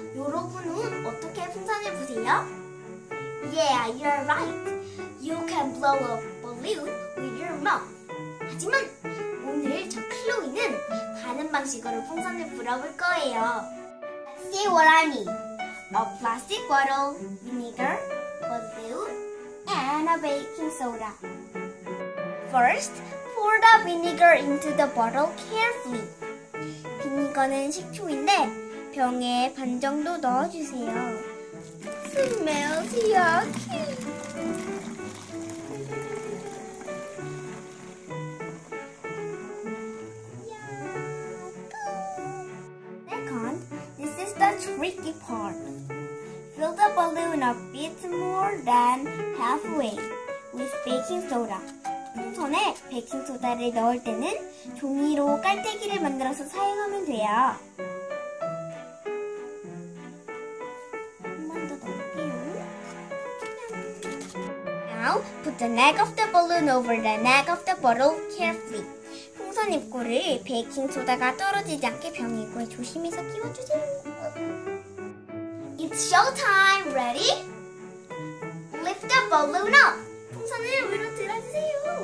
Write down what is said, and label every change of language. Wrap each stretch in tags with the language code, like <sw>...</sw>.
<ko>여러분은 어떻게 풍선을 부세요?</ko> <en>Yeah, you're right. You can blow a balloon with your mouth.</en> <ko>하지만 오늘 저 클로이는 다른 방식으로 풍선을 불어볼 거예요.</ko> <en>See what I mean. A plastic bottle, vinegar, balloon, and a baking soda. First, pour the vinegar into the bottle carefully.</en> <ko>비니거는 식초인데 병에 반 정도 넣어주세요.</ko> <en>Smells yucky. Second, this is the tricky part. Fill the balloon a bit more than halfway with baking soda.</en> <ko>풍선에 베이킹소다를 넣을 때는 종이로 깔때기를 만들어서 사용하면 돼요. 조금만 더 넣을게요.</ko> <en>Now, put the neck of the balloon over the neck of the bottle carefully.</en> <ko>풍선 입구를 베이킹소다가 떨어지지 않게 병 입구에 조심해서 끼워주세요.</ko> <en>It's showtime! Ready? Lift the balloon up!</en> <ko>풍선을 위로 들어주세요.</ko>